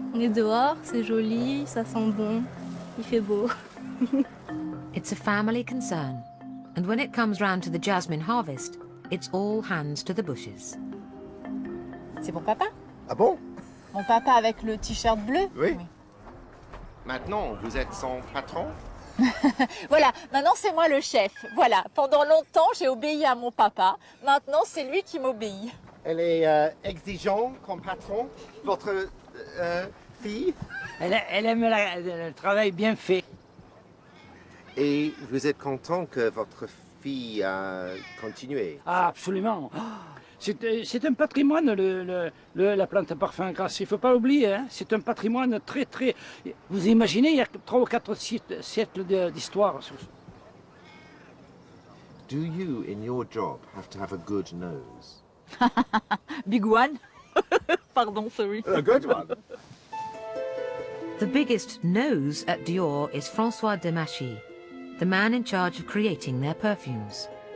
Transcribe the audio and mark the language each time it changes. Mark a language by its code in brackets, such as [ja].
[fr] On est dehors, c'est joli, ça sent bon. Il fait beau. [en] It's a family concern. And when it comes round to the jasmine harvest, it's all hands to the bushes. [fr] C'est mon papa. Ah bon? Mon papa avec le t-shirt bleu? Oui. Oui. Maintenant, vous êtes son patron? Voilà, maintenant c'est moi le chef. Voilà, pendant longtemps j'ai obéi à mon papa. Maintenant c'est lui qui m'obéit. Elle est exigeante comme patron, votre fille. Elle aime le travail bien fait. Et vous êtes content que votre fille a continué? Ah, absolument. C'est un patrimoine, la plante à parfum Grasse. Il ne faut pas l'oublier. Hein. C'est un patrimoine très, très... Vous imaginez, il y a 3 ou 4 siècles d'histoire. [en] Do you, in your job, have to have a good nose? Big one. Pardon, sorry. A good one. The biggest nose at Dior is François Demachy, the man in charge of creating their perfumes.